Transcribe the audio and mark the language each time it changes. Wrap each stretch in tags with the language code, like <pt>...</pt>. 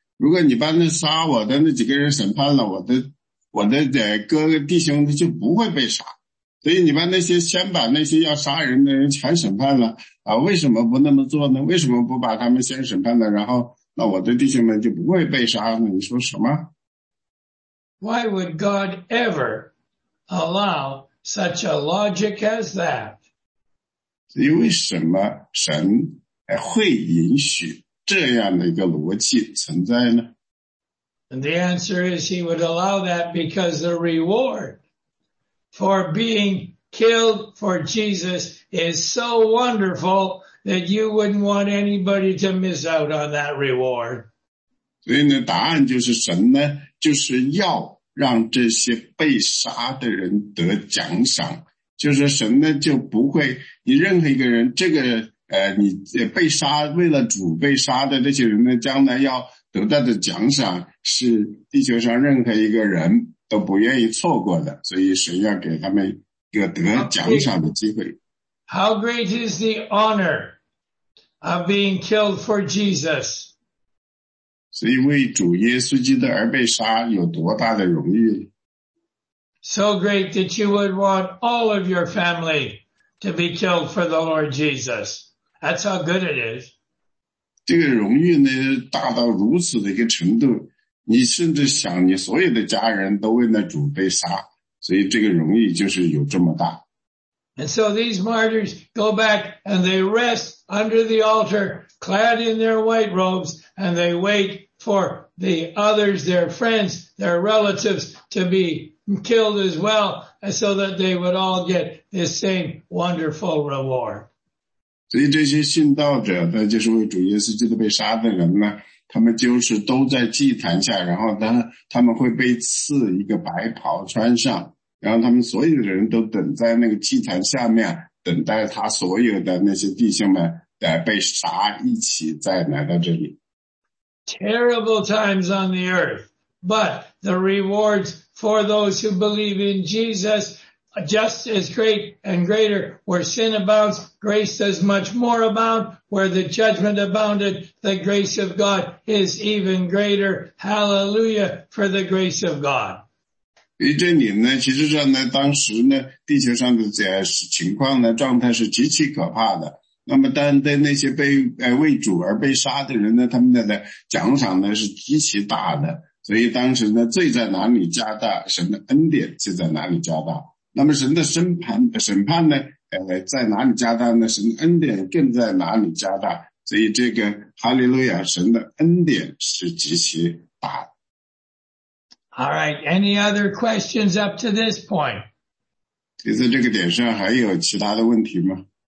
<zh>如果你把那杀我的那几个人审判了，我的哥哥弟兄就不会被杀。所以你把那些先把那些要杀人的人全审判了为什么不那么做呢？为什么不把他们先审判了，然后那我的弟兄们就不会被杀呢？你说什么？</zh> <en>Why would God ever allow such a logic as that?</en> <zh>所以为什么神会允许这样的一个逻辑存在呢？</zh> <en>And the answer is he would allow that because the reward for being killed for Jesus is so wonderful that you wouldn't want anybody to miss out on that reward.</en> <zh>所以呢，答案就是神呢，就是要让这些被杀的人得奖赏。就是神呢，就不会，你任何一个人，这个你被杀，为了主被杀的这些人呢，将来要得到的奖赏是地球上任何一个人都不愿意错过的，所以神要给他们一个得奖赏的机会。</zh> <en>How great is the honor of being killed for Jesus?</en> <zh>所以为主耶稣基督而被杀有多大的荣誉？</zh> <en>So great that you would want all of your family to be killed for the Lord Jesus. That's how good it is.</en> <zh>这个荣誉呢，大到如此的一个程度。你甚至想你所有的家人都为那主被杀，所以这个荣誉就是有这么大。</zh> <en>And so these martyrs go back and they rest under the altar, clad in their white robes, and they wait for the others, their friends, their relatives, to be killed as well, so that they would all get this same wonderful reward.</en> <zh>所以这些殉道者，那就是为主耶稣基督被杀的人呢，他们就是都在祭坛下，然后他们会被赐一个白袍穿上，然后他们所有的人都等在那个祭坛下面，等待他所有的那些弟兄们被杀，一起再来到这里。</zh> <en>Terrible times on the earth, but the rewards for those who believe in Jesus just as great and greater, where sin abounds, grace does much more abound, where the judgment abounded, the grace of God is even greater. Hallelujah for the grace of God.</en> <zh>于这里呢，其实上呢，当时呢，地球上的情况呢，状态是极其可怕的。那么但对那些被为主而被杀的人呢，他们的奖赏呢是极其大的。所以当时呢，罪在哪里加大，神的恩典就在哪里加大。那么神的审判呢在哪里加大呢？神恩典更在哪里加大。所以这个哈利路亚，神的恩典是极其大的。</zh> <en>All right, any other questions up to this point?</en> <zh>其实这个点上还有其他的问题吗？</zh>